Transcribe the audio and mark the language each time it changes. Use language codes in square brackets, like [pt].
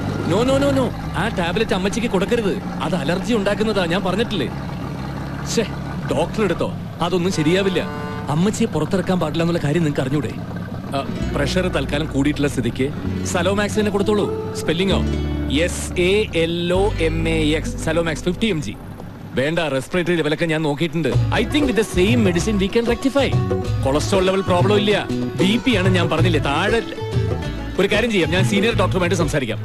[ml] No no no no, ആ tablet അമ്മച്ചിക്ക് കൊടുക്കരുത്, അത് അലർജി ഉണ്ടാക്കുന്നതാ. ഞാൻ പറഞ്ഞിട്ടില്ലേ, ഛേ, ഡോക്ടർ എടുത്തോ, അതൊന്നും ശരിയാവില്ല. അമ്മച്ചിയെ പുറത്തിറക്കാൻ പാടില്ല എന്നുള്ള കാര്യം നിങ്ങൾക്ക് അറിഞ്ഞൂടെ? പ്രഷർ തൽക്കാലം കൂടിയിട്ടുള്ള സ്ഥിതിക്ക് സലോമാക്സിനെ കൊടുത്തോളൂ. സ്പെല്ലിങ്ങോ? SALOMAX, സലോമാക്സ് 50 mg. വേണ്ട, റെസ്പിറേറ്ററി ലെവലൊക്കെ ഞാൻ നോക്കിയിട്ടുണ്ട്. [en] I think with the same medicine we can rectify. [ml] Cholesterol level problem ഇല്ല, BP ആണ് ഞാൻ പറഞ്ഞില്ലേ താഴെ. ഒരു കാര്യം ചെയ്യാം, ഞാൻ സീനിയർ ഡോക്ടറുമായിട്ട് സംസാരിക്കാം.